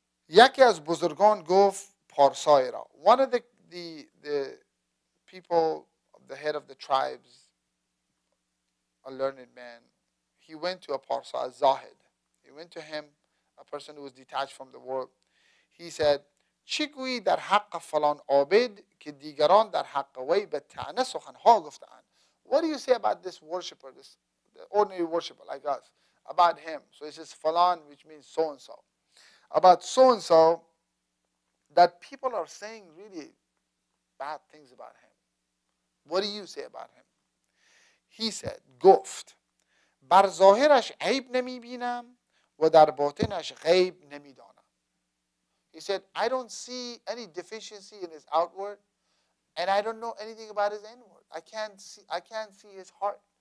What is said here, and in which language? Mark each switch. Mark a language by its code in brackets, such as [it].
[fa] Yaki as Buzurgon Gov Parsaira. [en] One of the people, the head of the tribes, a learned man, he went to a Parsa, a Zahid. He went to him, a person who was detached from the world. He said, [fa] چگوی در حق فلان عابد که دیگران در حق وی به طعنه سخنها گفتند. [en] What do you say about this worshipper, this ordinary worshipper like us, about him? So it says falan, which means so and so. About so and so, that people are saying really bad things about him. What do you say about him? He said, [fa] گفت بر ظاهرش عیب نمی بینم و در باطنش غیب نمی دانم. [en] He said, I don't see any deficiency in his outward, and I don't know anything about his inward. I can't see his heart.